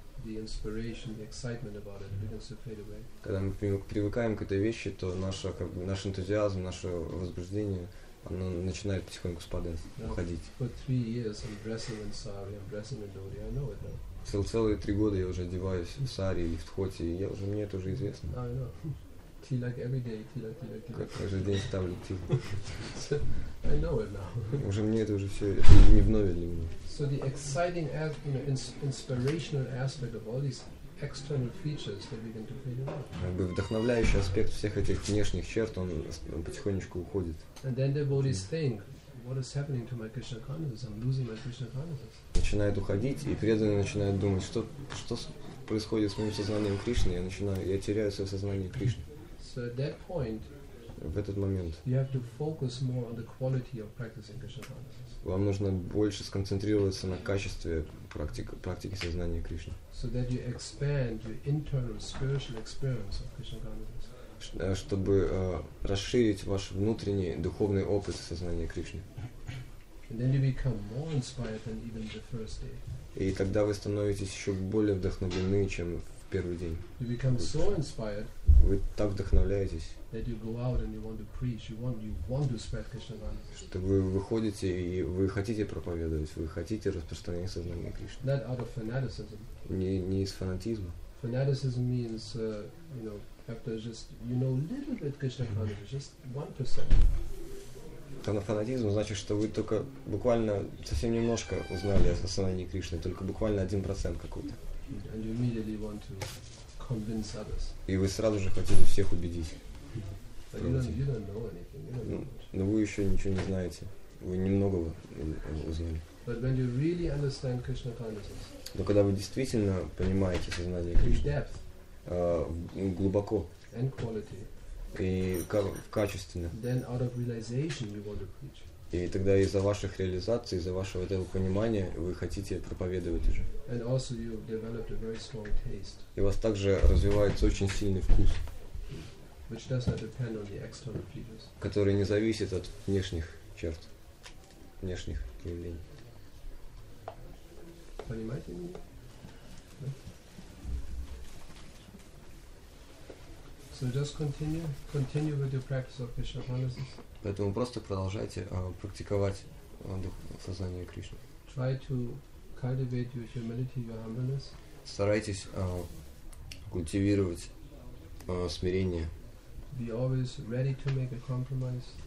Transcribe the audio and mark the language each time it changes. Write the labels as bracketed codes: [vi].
[en] The inspiration, the excitement about it begins to fade away. [ru] Когда мы привыкаем к этой вещи, то наш энтузиазм, наше возбуждение, оно начинает потихоньку спадать, уходить. [en] For 3 years I'm dressing in sari, I'm dressing in dhoti. I know it now. [ru] Целые 3 года я уже одеваюсь в сари или в дхоти, и мне это уже известно. [en] I know. Tilak every day, tilak. [ru] Каждый день ставлю тилак. [en] I know it now. [ru] Уже мне это уже все, это не вновь для меня. [en] So the exciting, you know, inspirational aspect of all these external features that begin to fade away. [ru] Вдохновляющий аспект всех этих внешних черт, он потихонечку уходит. [en] And then the devotees think, what is happening to my Krishna consciousness? I'm losing my Krishna consciousness. [ru] Начинает уходить, и преданные начинают думать, что происходит с моим сознанием Кришны, я теряю свое сознание Кришны. [en] So at that point, [ru] в этот момент [en] you have to focus more on the quality of practicing Krishna consciousness. [ru] Вам нужно больше сконцентрироваться на качестве практики сознания Кришны. [en] So that you expand your internal spiritual experience of Krishna consciousness. [ru] Чтобы расширить ваш внутренний духовный опыт сознания Кришны. [en] And then you become more inspired than even the first day. [ru] И тогда вы становитесь еще более вдохновлены, чем в первый день. [en] You become so inspired. [ru] Вы так вдохновляетесь. [en] That you go out and you want to preach, you want to spread Krishna consciousness. [ru] Что вы выходите и вы хотите проповедовать, вы хотите распространять сознание Кришны. [en] Not out of fanaticism. [ru] Не из фанатизма. [en] Fanaticism means, you know, after just you know little bit Krishna consciousness, just 1%. [ru] Фанатизм значит, что вы только буквально совсем немножко узнали о сознании Кришны, только буквально 1% какой-то. [en] And you immediately want to convince others. [ru] И вы сразу же хотите всех убедить. [en] But you don't know anything. Но вы еще ничего не знаете. [ru] Вы немного узнали. [en] But when you really understand Krishna consciousness. [ru] Но когда вы действительно понимаете сознание Кришны. [en] In depth. [ru] Глубоко. [en] And quality. [ru] И качественно. [en] Then out of realization you want to preach. [ru] И тогда из-за ваших реализаций, из-за вашего этого понимания вы хотите проповедовать уже. [en] And also you developed a very strong taste. [ru] И у вас также развивается очень сильный вкус, [en] which does not depend on the external features. [ru] Который не зависит от внешних черт, внешних явлений. Понимаете меня? [en] So just continue with your practice of Krishna consciousness. [ru] Поэтому просто продолжайте практиковать дух сознания Кришны. [en] Try to cultivate your humility, your humbleness. [ru] Старайтесь культивировать смирение. [en] Be always ready to make a compromise.